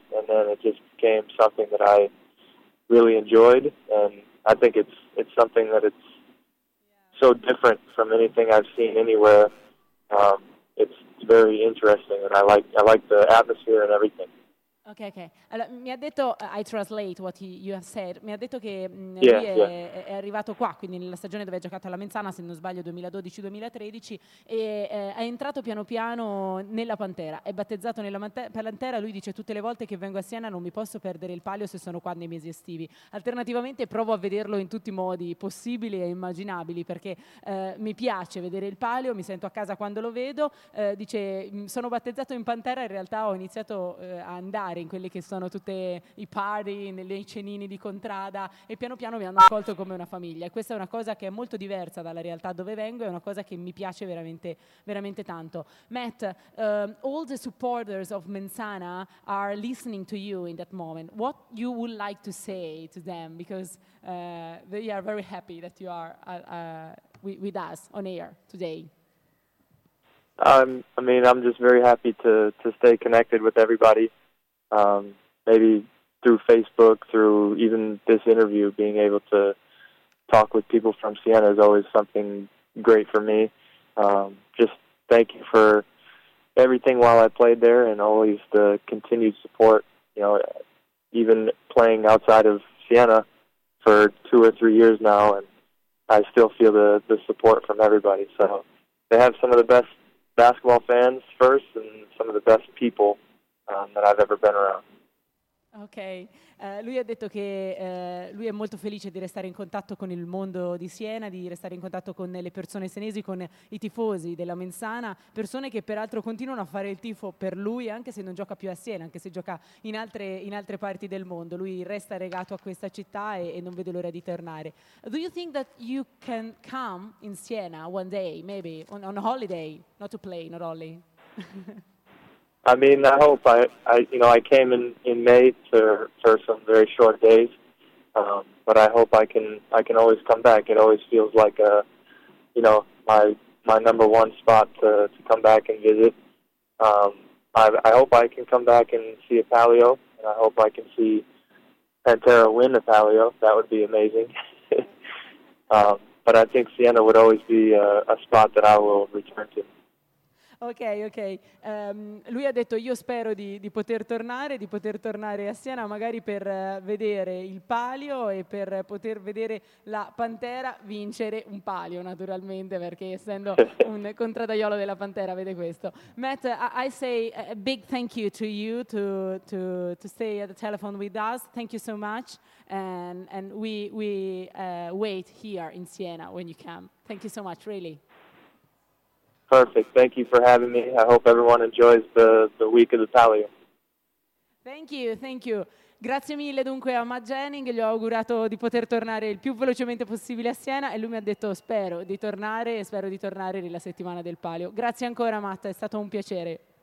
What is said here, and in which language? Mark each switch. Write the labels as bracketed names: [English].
[English] And then it just became something that I really enjoyed, and I think it's something that it's so different from anything I've seen anywhere. It's very interesting, and I like the atmosphere and everything. [Italian] Ok. Allora, mi ha detto, [English] I translate what you have said, [Italian] mi ha detto che lui è arrivato qua, quindi nella stagione dove ha giocato alla Menzana, se non sbaglio 2012-2013, e è entrato piano piano nella Pantera, è battezzato nella Pantera. Lui dice, tutte le volte che vengo a Siena non mi posso perdere il Palio se sono qua nei mesi estivi. Alternativamente provo a vederlo in tutti i modi possibili e immaginabili, perché mi piace vedere il Palio, mi sento a casa quando lo vedo. Dice, sono battezzato in Pantera, in realtà ho iniziato a andare in quelli che sono tutte i party, nei cenini di Contrada, e piano piano mi hanno accolto come una famiglia, e questa è una cosa che è molto diversa dalla realtà dove vengo, è una cosa che mi piace veramente veramente tanto. [English] Matt, all the supporters of Menzana are listening to you in that moment. What you would like to say to them, because they are very happy that you are with us on air today. I'm just very happy to stay connected with everybody. Maybe through Facebook, through even this interview, being able to talk with people from Siena is always something great for me. Just thank you for everything while I played there, and always the continued support, you know, even playing outside of Siena for 2 or 3 years now, and I still feel the support from everybody. So they have some of the best basketball fans first and some of the best people that I've ever been around. Okay. [Italian] Lui ha detto che lui è molto felice di restare in contatto con il mondo di Siena, di restare in contatto con le persone senesi, con i tifosi della Menzana, persone che peraltro continuano a fare il tifo per lui anche se non gioca più a Siena, anche se gioca in altre parti del mondo. Lui resta legato a questa città e non vede l'ora di tornare. [English] Do you think that you can come in Siena one day, maybe on a holiday, not to play, not only? I mean, I hope. I came in May for some very short days, but I hope I can always come back. It always feels like my number one spot to come back and visit. I hope I can come back and see a Palio, and I hope I can see Pantera win a Palio. That would be amazing. but I think Siena would always be a spot that I will return to. Ok. [Italian] Lui ha detto io spero di poter tornare a Siena magari per vedere il Palio e per poter vedere la Pantera vincere un Palio naturalmente, perché essendo un contradaiolo della Pantera vede questo. [English] Matt, I say a big thank you to you to stay at the telephone with us. Thank you so much and we wait here in Siena when you come. Thank you so much, really. Perfect. Thank you for having me. I hope everyone enjoys the week of the Palio. Thank you. [Italian] Grazie mille dunque a Matt Jennings, gli ho augurato di poter tornare il più velocemente possibile a Siena e lui mi ha detto spero di tornare nella settimana del Palio. Grazie ancora Matt, è stato un piacere.